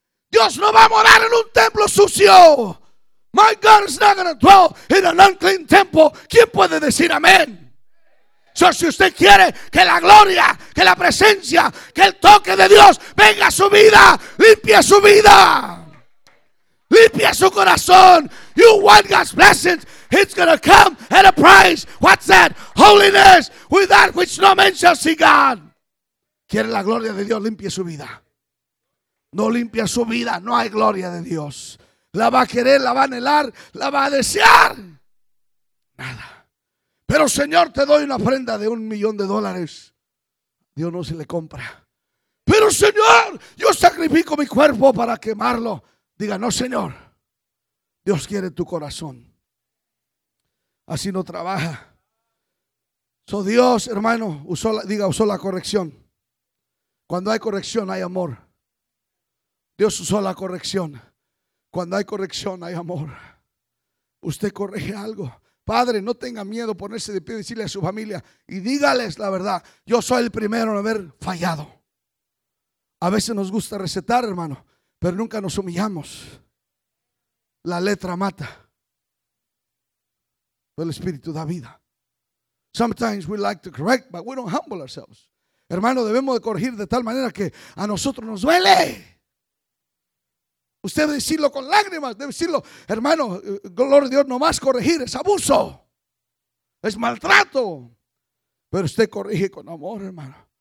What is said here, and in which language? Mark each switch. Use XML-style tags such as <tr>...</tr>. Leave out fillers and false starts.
<es>Dios no va a morar en un templo sucio.</es> <en>My God is not going to dwell in an unclean temple.</en> <es>¿Quién puede decir amén? So, si usted quiere que la gloria, que la presencia, que el toque de Dios venga a su vida, limpie su vida, limpie su corazón.</es> <en>You want God's blessings, it's going to come at a price. What's that? Holiness with that which no man shall see God.</en> <es>¿Quiere la gloria de Dios? Limpie su vida. No limpia su vida, no hay gloria de Dios. la va a querer, la va a anhelar, la va a desear. Nada. Pero Señor, te doy una ofrenda de $1,000,000. Dios no se le compra. Pero Señor, yo sacrifico mi cuerpo para quemarlo. Diga, no Señor, Dios quiere tu corazón. Así no trabaja. So Dios, hermano, usó la corrección. Cuando hay corrección hay amor. Dios usó la corrección. Cuando hay corrección hay amor. Usted corrige algo. Padre, no tenga miedo ponerse de pie y decirle a su familia y dígales la verdad. Yo soy el primero en haber fallado. A veces nos gusta recetar, hermano, pero nunca nos humillamos. La letra mata. Pero el Espíritu da vida.</es> <en>Sometimes we like to correct, but we don't humble ourselves.</en> <es>Hermano, debemos de corregir de tal manera que a nosotros nos duele. Usted debe decirlo con lágrimas, debe decirlo, hermano, gloria a Dios, nomás corregir es abuso, es maltrato. Pero usted corrige con amor, hermano.</es>